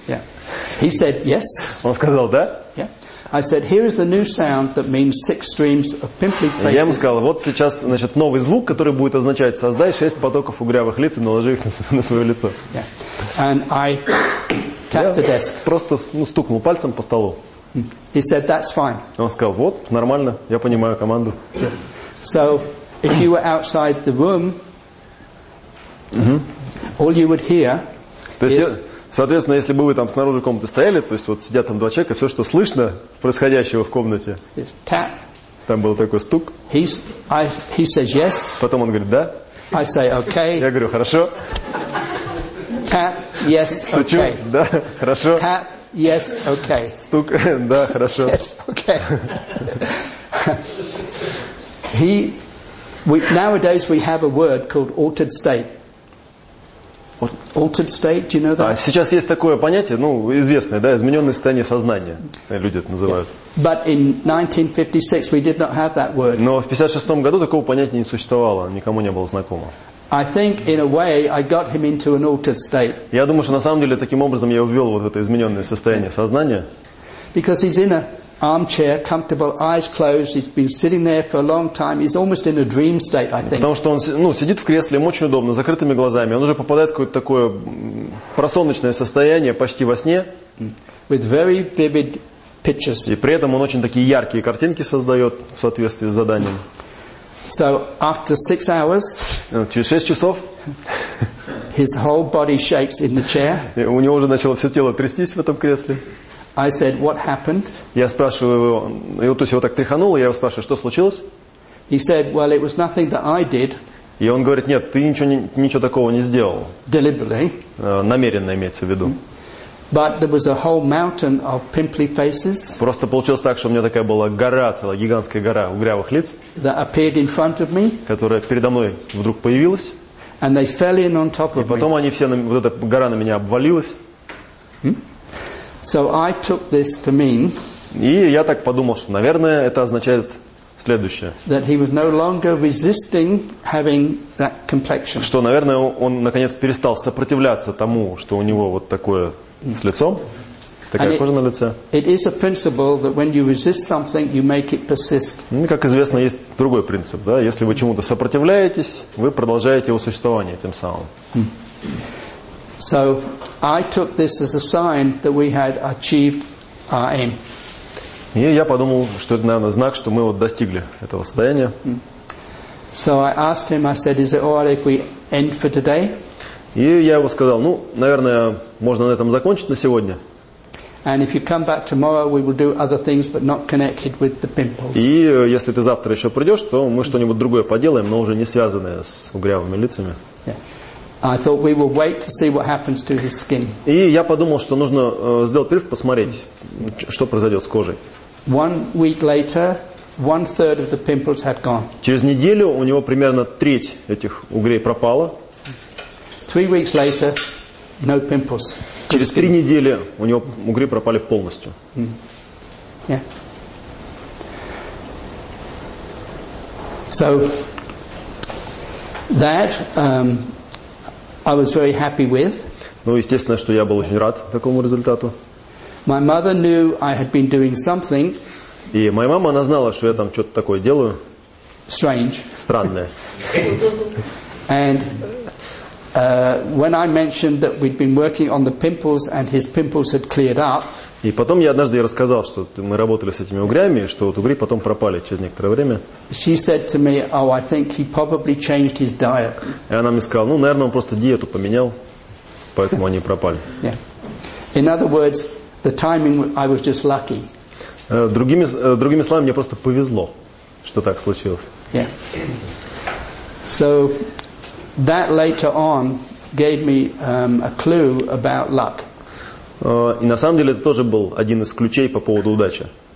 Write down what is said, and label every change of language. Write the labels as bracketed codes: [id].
[en] Yeah. He said yes. [ru] Он сказал да. [en] Yeah. I said, here is the new sound that means six streams of pimply faces. [ru] Я ему сказал, вот сейчас, значит, новый звук, который будет означать, создай шесть потоков угрявых лиц и наложи их на свое лицо. [en] And I tapped the desk. [ru] Просто стукнул пальцем по столу. [en] He said, that's fine. [ru] Он сказал, вот, нормально, я понимаю команду. [en] So, if you were outside the room, all you would hear is... [ru] Соответственно, если бы вы там снаружи комнаты стояли, то есть вот сидят там два человека, все, что слышно происходящего в комнате, там был такой стук. [en] He says yes. [ru] Потом он говорит, да. [en] I say, okay. [ru] Я говорю, хорошо. [en] Tap, yes, [ru] стучу, [en] okay. [ru] Да, хорошо. [en] Tap, yes, okay. [ru] Стук, да, хорошо. [en] Yes, okay. Nowadays we have a word called altered state. Altered state, do you know that? [ru] Сейчас есть такое понятие, известное, да, измененное состояние сознания, люди это называют. [en] Yeah. But in 1956 we did not have that word. [ru] Но в 56 году такого понятия не существовало, никому не было знакомо. [en] I think in a way I got him into an altered state. [ru] Я думаю, что на самом деле таким образом я ввел вот это измененное состояние сознания. [en] Because he's in a armchair, comfortable, eyes closed. He's been sitting there for a long time. He's almost in a dream state, I think. [ru] Потому что он, сидит в кресле, ему очень удобно, закрытыми глазами. Он уже попадает в какое-то такое просоночное состояние, почти во сне. [en] With very vivid pictures. [ru] И при этом он очень такие яркие картинки создает в соответствии с заданием. [en] So after 6 hours. [ru] Через 6 часов. [en] His whole body shakes in the chair. [ru] У него уже начало все тело трястись в этом кресле. [en] I said, what happened? [ru] Я спрашиваю его, его так тряхануло, я его спрашиваю, что случилось? [en] He said, well, it was nothing that I did. [ru] И он говорит, нет, ты ничего такого не сделал. [en] Deliberately. [ru] Намеренно имеется в виду. [en] But there was a whole mountain of pimply faces. [ru] Просто получилось так, что у меня такая была гора, целая гигантская гора угрявых лиц. [en] That appeared in front of me. [ru] Которая передо мной вдруг появилась. [en] And they fell in on top of me. [ru] И потом они все, вот эта гора на меня обвалилась. [en] So I took this to mean. [ru] И я так подумал, что, наверное, это означает следующее. [en] That he was no longer resisting having that complexion. [ru] Что, наверное, он наконец перестал сопротивляться тому, что у него вот такое с лицом, такая кожа на лице. [en] It is a principle that when you resist something, you make it persist. [ru] Как известно, есть другой принцип, да? Если вы чему-то сопротивляетесь, вы продолжаете его существование тем самым. [en] So I took this as a sign that we had achieved our aim. [ru] И я подумал, что это, наверное, знак, что мы вот достигли этого состояния. [en] So I asked him, I said, is it all right if we end for today? [ru] И я ему сказал, наверное, можно на этом закончить на сегодня. [en] And if you come back tomorrow, we will do other things, but not connected with the pimples. [ru] И если ты завтра еще придешь, то мы что-нибудь другое поделаем, но уже не связанное с угрявыми лицами. [en] I thought we will wait to see what happens to his skin. [ru] И я подумал, что нужно сделать прививку, посмотреть, что произойдет с кожей. [en] 1 week later, 1/3 of the pimples had gone. [ru] Через неделю у него примерно треть этих угрей пропала. [en] 3 weeks later, no pimples. [ru] Через 3 недели у него угри пропали полностью. [en] So that. I was very happy with. [ru] Естественно, что я был очень рад такому результату. [en] My mother knew I had been doing something. [ru] И моя мама, она знала, что я там что-то такое делаю. [en] Strange. [ru] Странное. [en] And when I mentioned that we'd been working on the pimples and his pimples had cleared up. [ru] И потом я однажды рассказал, что мы работали с этими угрями, что вот угри потом пропали через некоторое время. [en] She said to me, oh, I think he probably changed his diet. [ru] И она мне сказала, наверное, он просто диету поменял, поэтому они пропали. [en] In other words, the timing, I was just lucky. [ru] Другими словами, мне просто повезло, что так случилось. [en] So that later on gave me a clue about luck. [ru] И на самом деле это тоже был один из ключей по поводу удачи.